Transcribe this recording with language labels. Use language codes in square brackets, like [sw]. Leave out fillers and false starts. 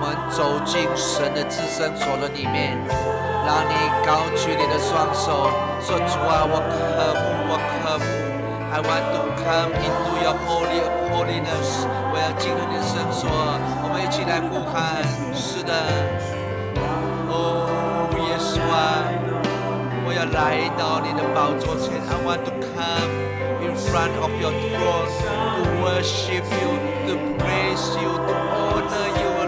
[zh] 走进神的至圣所的里面，让你高举你的双手，说：主啊，我渴慕，我渴慕。 [en] I want to come into your holy holiness。 [zh] 我要进入你的圣所。我们一起来呼喊。是的，哦，耶稣啊，我要来到你的宝座前。 [en] I want to come in front of your throne to worship you, to praise you, to honor you.